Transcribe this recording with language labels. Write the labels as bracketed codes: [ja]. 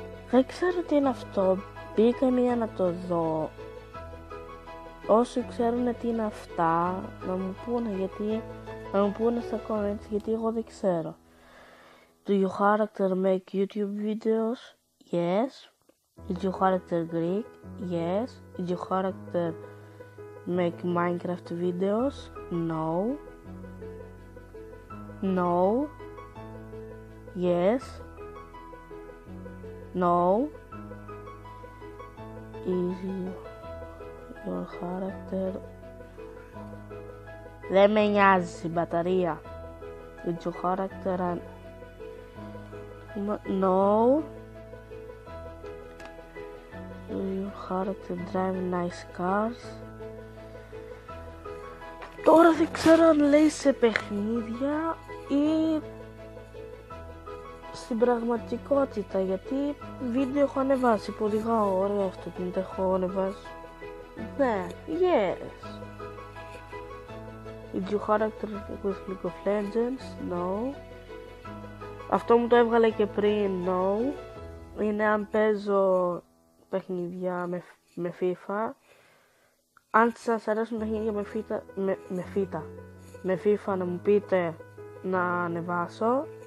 [el] Δεν ξέρω τι είναι αυτό. Μπήκα μία να το δω. Όσοι ξέρουν τι είναι αυτά να μου πούνε, γιατί να μου πούνε στα comments, γιατί εγώ δεν ξέρω. [en] Do your character make YouTube videos? Yes. Is your character Greek? Yes. Is your character make Minecraft videos? No. No. Yes. No. Is your character... [el] Δεν με νοιάζει η μπαταρία. [en] Is your character an... No. Do your character drive nice cars? [el] Τώρα δεν ξέρω αν λέει σε παιχνίδια ή στην πραγματικότητα, γιατί βίντεο έχω ανεβάσει που οδηγάω. Ωραία αυτό που δεν έχω ανεβάσει. Ναι, [en] yes. Is your character with League of Legends? No. [el] Αυτό μου το έβγαλε και πριν, [en] no. [el] Είναι αν παίζω παιχνίδια με FIFA. Αν σας αρέσουν παιχνίδια με FIFA, με FIFA να μου πείτε να ανεβάσω.